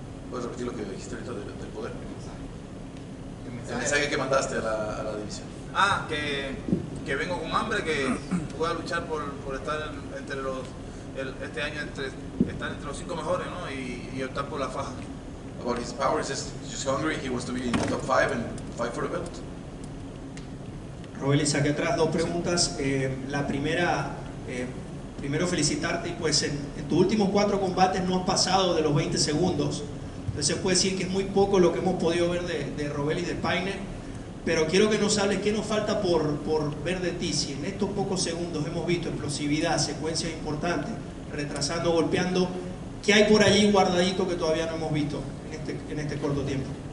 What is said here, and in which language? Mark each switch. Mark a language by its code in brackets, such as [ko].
[es] ¿Puedes repetir lo que dijiste ahorita del poder? El mensaje que mandaste a la división. Ah, que vengo con hambre, que voy a luchar por estar entre los... este año estar entre los cinco mejores, ¿no? Y optar por la faja. [en] About his power, he's just hungry, he wants to be in the top five and fight for the belt. [es] Robelis, aquí atrás, dos preguntas. Sí. La primera, primero felicitarte, y pues en tus últimos cuatro combates no has pasado de los 20 segundos. Entonces se puede decir que es muy poco lo que hemos podido ver de Robelis y de Painter. Pero quiero que nos hables qué nos falta por ver de ti. Si en estos pocos segundos hemos visto explosividad, secuencias importantes, retrasando, golpeando, ¿qué hay por allí guardadito que todavía no hemos visto en este corto tiempo?